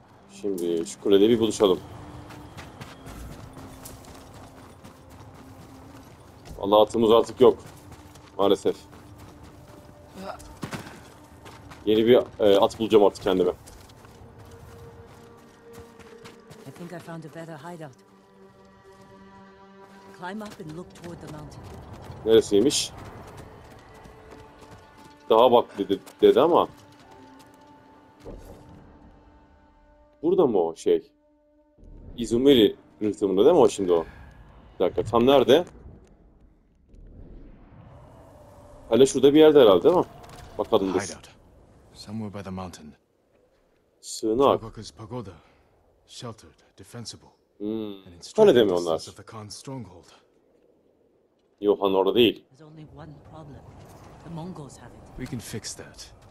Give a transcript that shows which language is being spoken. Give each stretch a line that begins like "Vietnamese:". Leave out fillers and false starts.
Turkish: Şimdi şu kulede bir buluşalım. Vallahi atımız artık yok. Maalesef. Yeni bir at bulacağım artık kendime.
English: I think I found a better hideout. Climb up and look toward the mountain.
Turkish: Neresiymiş? Daha bak dedi ama. Burada mı o şey? Izumiri rıhtımında değil mi o şimdi o? Bir dakika, tam nerede? Hele şurada bir yerde herhalde değil mi? Bakalım dur. Hideout.
English: Somewhere by the mountain.
Turkish: Sığınak.
English: Tabaka's pagoda. Sheltered. Defensible. Hmm. And it's the Khan's stronghold.
Turkish: Johan orada değil.
English: There's only one problem. The Mongols have it. We can fix that.